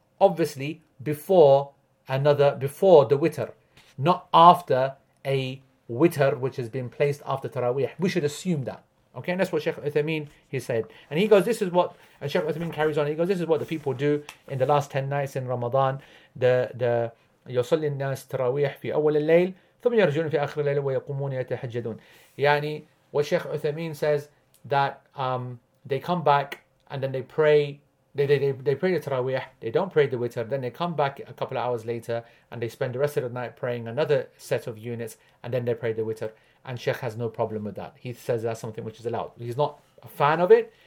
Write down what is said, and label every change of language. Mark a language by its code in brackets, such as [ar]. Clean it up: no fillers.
[en] obviously before another, before the witr, not after a witr which has been placed after Taraweeh. We should assume that. Okay, and that's what Sheikh Uthaymeen, he said. And he goes, this is what, and Sheikh Uthaymeen carries on, he goes, this is what the people do in the last 10 nights in Ramadan. [ar] The يصلي الناس تراويح في أول الليل ثم يرجعون في آخر الليل ويقومون يتحجدون. [en] يعني what Sheikh Uthaymeen says that they come back and then they pray, they pray the Taraweeh, they don't pray the Witr, then they come back a couple of hours later and they spend the rest of the night praying another set of units and then they pray the Witr. And Sheikh has no problem with that. He says that's something which is allowed. He's not a fan of it.